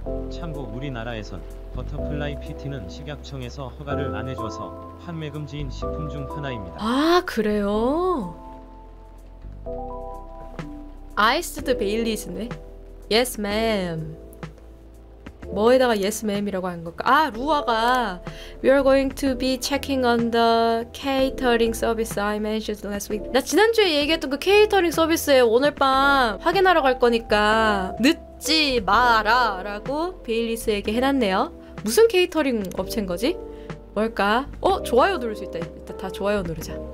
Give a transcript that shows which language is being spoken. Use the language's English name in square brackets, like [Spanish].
[Korean] 참고 우리나라에선 버터플라이 PT는 식약청에서 허가를 안 해줘서 판매 금지인 식품 중 하나입니다. 그래요? 아이스드 베일리즈네. [English] Yes, ma'am. [Korean] 뭐에다가 [English] Yes, ma'am [Korean] 이라고 한 걸까? [English] 루아가 We are going to be checking on the catering service I mentioned last week. [Korean] 나 지난주에 얘기했던 그 케이터링 서비스에 오늘 밤 확인하러 갈 거니까 늦지 마라 라고 베일리스에게 해놨네요. 무슨 케이터링 업체인 거지? 뭘까? 좋아요 누를 수 있다. 일단 다 좋아요 누르자.